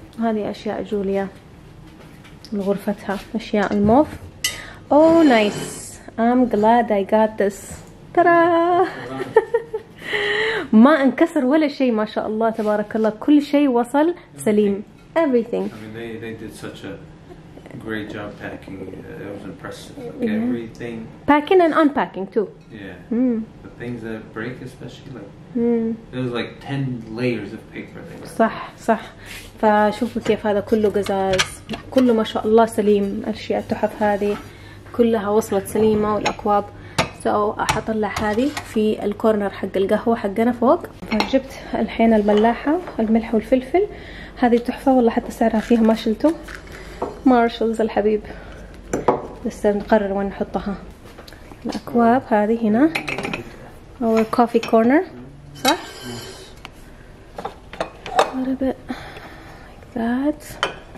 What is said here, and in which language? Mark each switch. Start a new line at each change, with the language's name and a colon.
Arabic: هذه اشياء جوليا لغرفتها، اشياء الموف. او نايس، ام جلاد اي جات ذس، ترى ما انكسر ولا شيء ما شاء الله تبارك الله، كل شيء وصل سليم.
English: Everything. I mean, they did such a great job packing. It was impressive. Like, everything. Packing and unpacking too. Yeah. Mm. The things that break, especially like. It was like 10 layers of paper.
Arabic: صح صح. فشوفوا كيف هذا كله قزاز، كله ما شاء الله سليم، الأشياء التحف هذه كلها وصلت سليمة والأكواب. أو أطلع هذه في الكورنر حق القهوة حقنا فوق. فجبت الحين الملاحة، الملح والفلفل، هذه تحفة والله، حتى سعرها فيها ما شلته. مارشلز الحبيب، لسه نقرر وين نحطها. الأكواب هذه هنا، our coffee corner صح؟ like that.